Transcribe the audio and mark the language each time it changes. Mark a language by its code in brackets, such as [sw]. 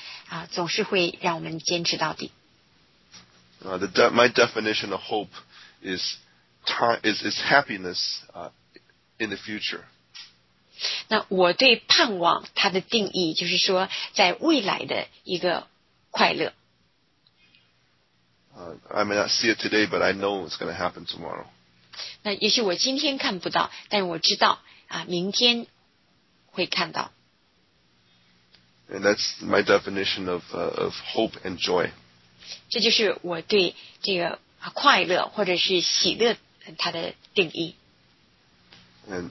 [zh] 意思就是说我们总是有这样的一个盼望，知道说神总是会让我们坚持到底。 [en] My definition of hope is time, is happiness in the future. [zh] 那我对盼望它的定义就是说在未来的一个快乐。I [en] may not see it today, but I know it's going to happen tomorrow. [zh] 那也许我今天看不到，但我知道明天会看到。And [en] that's my definition of hope and joy. [zh] 这就是我对这个快乐或者是喜乐它的定义。And